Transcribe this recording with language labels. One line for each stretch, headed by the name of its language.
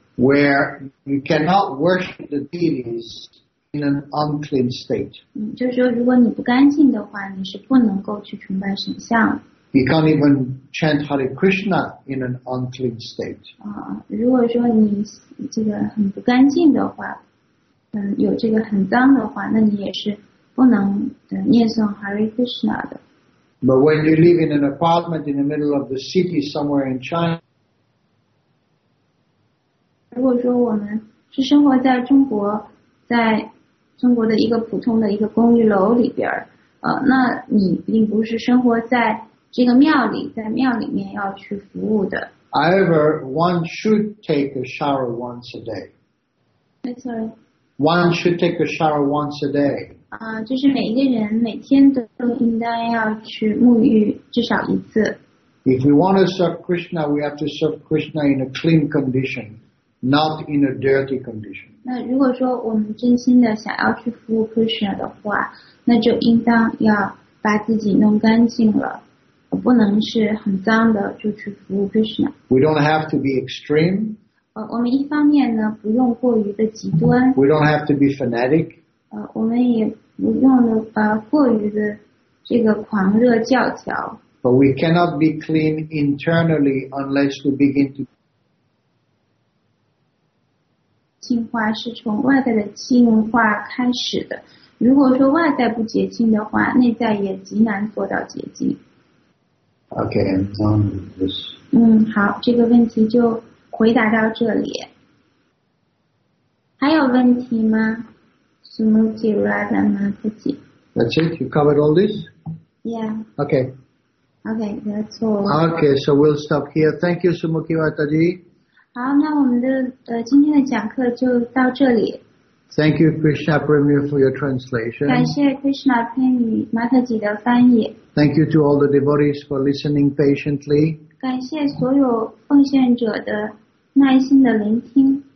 English: Where you cannot worship the deities in an unclean state.
Chinese: 就是说如果你不干净的话，你是不能够去崇拜神像。
English: You can't even chant Hare Krishna in an unclean state.
Chinese: 如果说你这个很不干净的话，有这个很脏的话，那你也是不能念诵 Hare Krishna 的。
English: But when you live in an apartment in the middle of the city somewhere in China,
Chinese: 如果说我们是生活在中国，在中国的一个普通的一个公寓楼里边，那你并不是生活在这个庙里，在庙里面要去服务的。
English: However, one should take a shower once a day. That's right. One should take a shower once a day.
Chinese: 就是每一个人每天都应当要去沐浴至少一次。
English: If we want to serve Krishna, we have to serve Krishna in a clean condition, not in a dirty condition.
Chinese: 那如果说我们真心的想要去服务 Krishna 的话，那就应当要把自己弄干净了。不能是很脏的就去服务 Krishna。
English: We don't have to be extreme。
Chinese: 我们一方面呢，不用过于的极端。
English: We don't have to be fanatic。
Chinese: 我们也不用的过于的这个狂热教条。
English: But we cannot be clean internally unless we begin to
Chinese: 净化是从外在的净化开始的。如果说外在不洁净的话，内在也极难做到洁净。
English: Okay, I'm done with this.
Chinese: 好，这个问题就回答到这里。还有问题吗 ？Smoothy Radha Mataji.
English: That's it. You covered all this. Yeah. Okay. Okay, that's all. Okay, so we'll stop here. Thank you, Smoothy Radhaji.
Chinese: 好，那我们的今天的讲课就到这里。
English: Thank you, Krishna Premi, for your translation.
Chinese: 感谢 Krishna Premi Mataji 的翻译。
English: Thank you to all the devotees for listening patiently.
Chinese: 感谢所有奉献者的耐心的聆听。